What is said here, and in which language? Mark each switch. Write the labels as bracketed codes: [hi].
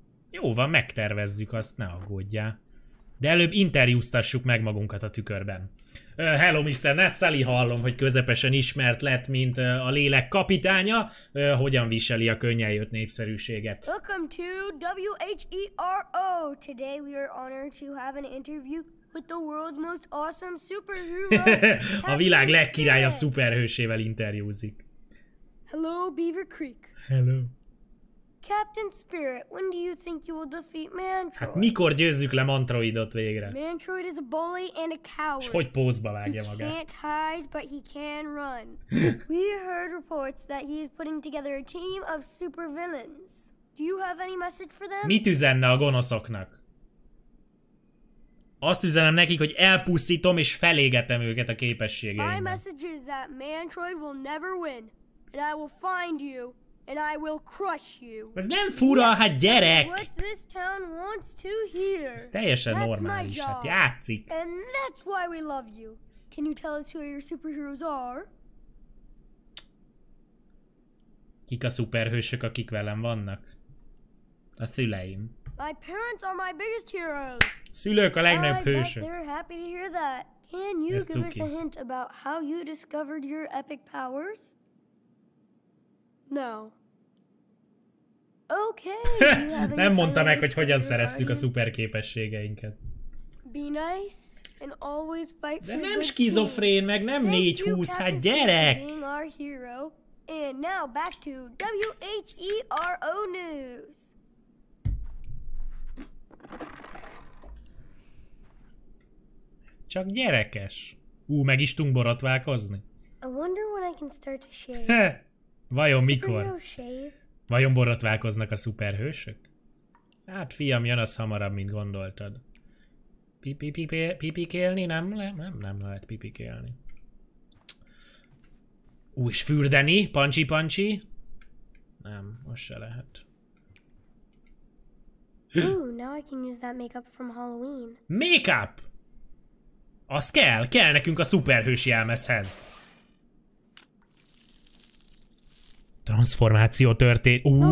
[hu] Jó van, megtervezzük azt, ne aggódjál. De előbb interjúztassuk meg magunkat a tükörben. [en] Hello, Mr. [hu] Nessali, hallom, hogy közepesen ismert lett, mint a lélek kapitánya. Hogyan viseli a könnyen jött népszerűséget? [en] Welcome to WHERO. Today we are honored to have an interview with the world's most awesome superhero. [hu] A világ legkirályabb szuperhősével interjúzik. [en] Hello, Beaver Creek. Hello. Captain Spirit, when do you think you will defeat Mantroid? [hu] Hát mikor győzzük le Mantroidot végre? [en] Mantroid is a bully and a coward. [hu] És hogy pózba vágja magát? [en] He can't hide, but he can run. We heard reports that he is putting together a team of supervillains. Do you have any message for them? [hu] Mit üzenne a gonoszoknak? Azt üzenem nekik, hogy elpusztítom és felégetem őket a képességeimmel. [en] My message is that Mantroid will never win, and I will find you, and I will crush you. [hu] Ez nem fura, hát gyerek! [en] What this town wants to hear. [hu] Ez teljesen normális, hát játszik. [en] And that's why we love you. Can you tell us who your superheroes are? [hu] Kik a szuperhősök, akik velem vannak? A szüleim. [en] My parents are my biggest heroes. [hu] Szülők a legnagyobb hősök. [en] I bet they're happy to hear that. Can you give us a hint about how you discovered your epic powers? No. Okay. [hu] Nem mondta meg, hogy hogyan szereztük a szuperképességeinket. [en] Be nice and always fight for the team. [hu] De nem skizofrén, meg nem 4-20, hát gyerek! [en] Being our hero. And now back to WHERO News. [hu] Csak gyerekes. Ú, meg is tudunk borotválkozni. [en] I wonder when I can start to shave. [hu] Vajon mikor? Vajon borotválkoznak a szuperhősök? Hát fiam, jön az hamarabb, mint gondoltad. Pipikélni? Nem lehet pipikélni. Ú, és fürdeni? Pancsi-pancsi? Nem, most se lehet. [en] Ooh, now I can use that makeup from Halloween. [hu] Makeup! Az kell! Kell nekünk a szuperhős jelmezhez! Transformáció történt.